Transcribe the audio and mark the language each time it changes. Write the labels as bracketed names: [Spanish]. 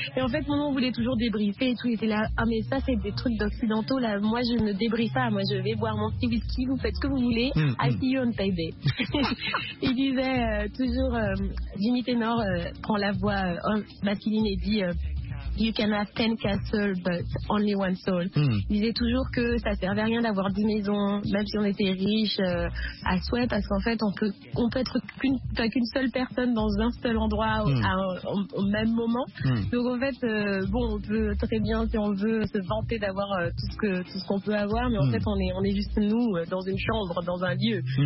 [French] Et en fait, mon nom voulait toujours débriefer et tout. Il était là, ah, mais ça, c'est des trucs d'occidentaux, là. Moi, je ne débriefe pas. Moi, je vais boire mon petit whisky, vous faites ce que vous voulez. [English] I see you on payday. [French] Il disait toujours, Jimmy Tenor prend la voix masculine et dit. [English] You can have 10 castles, but only one soul. [French] Il disait toujours que ça servait à rien d'avoir 10 maisons, même si on était riche, à souhait, parce qu'en fait, on peut être qu'une seule personne dans un seul endroit au même moment. Donc en fait, on peut très bien, si on veut, se vanter d'avoir tout ce qu'on peut avoir, mais en fait, on est juste nous, dans une chambre, dans un lieu.